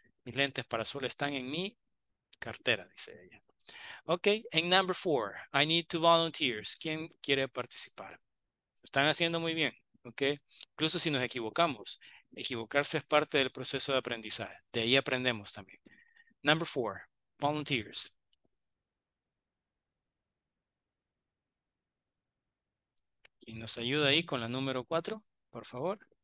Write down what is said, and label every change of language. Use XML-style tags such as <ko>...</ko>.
<es>Mis lentes para sol están en mi cartera, dice ella.</es> <en>Okay, and number four, I need two volunteers.</en> <es>¿Quién quiere participar? Están haciendo muy bien, okay? Incluso si nos equivocamos, equivocarse es parte del proceso de aprendizaje. De ahí aprendemos también.</es> <en>Number four, volunteers.</en> <es>¿Quién nos ayuda ahí con la número 4, por favor?</es>